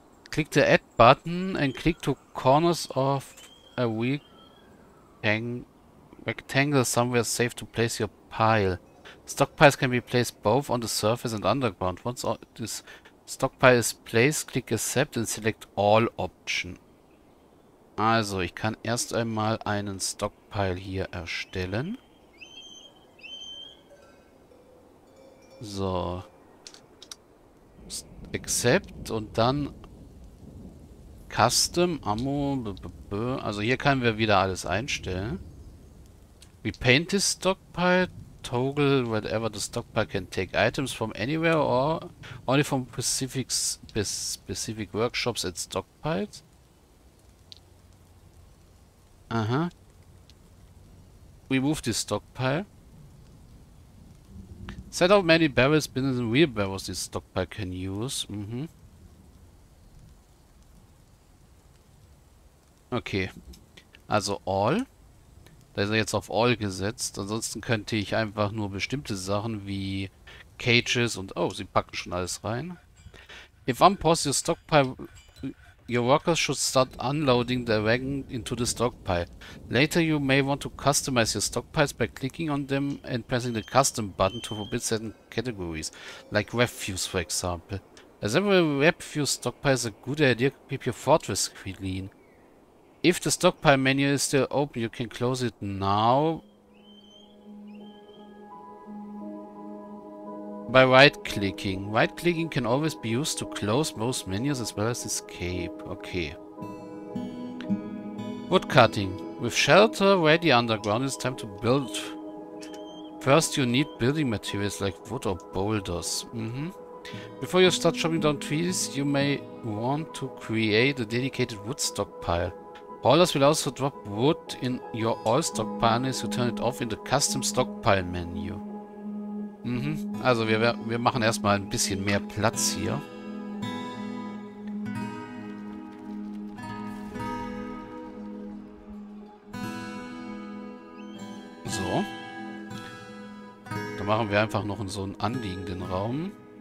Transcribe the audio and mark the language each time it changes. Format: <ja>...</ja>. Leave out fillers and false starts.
<en>Click the add button and click to corners of a weak Rectangle somewhere safe to place your pile. Stockpiles can be placed both on the surface and underground. Once all this stockpile is placed, click accept and select all option.</en> <de>Also, ich kann erst einmal einen Stockpile hier erstellen. So. Accept und dann Custom, Ammo, also hier können wir wieder alles einstellen.</de> <en>We paint this stockpile, toggle whatever the stockpile can take items from anywhere or only from specific workshops at stockpiles. Aha. Remove this stockpile. Set up many barrels, bins and wheelbarrows this stockpile can use. Mhm.</en> <de>Okay. Also all. Da ist er jetzt auf all gesetzt. Ansonsten könnte ich einfach nur bestimmte Sachen wie Cages und... Oh, sie packen schon alles rein.</de> <en>If unpause your stockpile, your workers should start unloading the wagon into the stockpile. Later you may want to customize your stockpiles by clicking on them and pressing the custom button to forbid certain categories, like refuse for example. As every refuse stockpile is a good idea to keep your fortress clean. If the stockpile menu is still open, you can close it now by right-clicking. Right-clicking can always be used to close most menus as well as escape. Okay. Woodcutting. With shelter ready underground, it's time to build. First, you need building materials like wood or boulders. Mm-hmm. Before you start chopping down trees, you may want to create a dedicated wood stockpile. Haulers will also drop wood in your all stockpile unless you turn it off in the custom stockpile menu.</en> <de>Mhm, also wir machen erstmal ein bisschen mehr Platz hier. So. Da machen wir einfach noch so einen anliegenden Raum.</de>